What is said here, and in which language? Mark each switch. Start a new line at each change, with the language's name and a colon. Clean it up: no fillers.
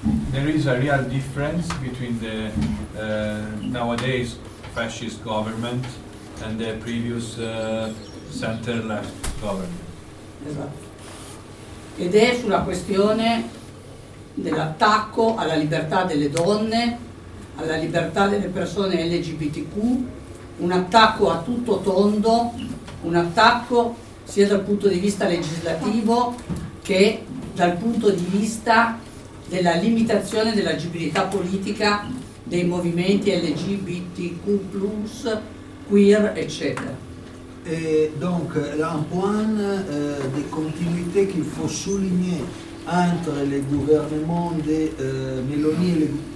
English: There is a real difference between the nowadays fascist government and the previous center-left government.
Italian: Esatto. Ed è sulla questione dell'attacco alla libertà delle donne, alla libertà delle persone LGBTQ, un attacco a tutto tondo, un attacco sia dal punto di vista legislativo che dal punto di vista della limitazione dell'agibilità politica dei movimenti LGBTQ+, queer, eccetera.
French: Et donc, un point de continuité qu'il faut souligner entre le gouvernement de Meloni et le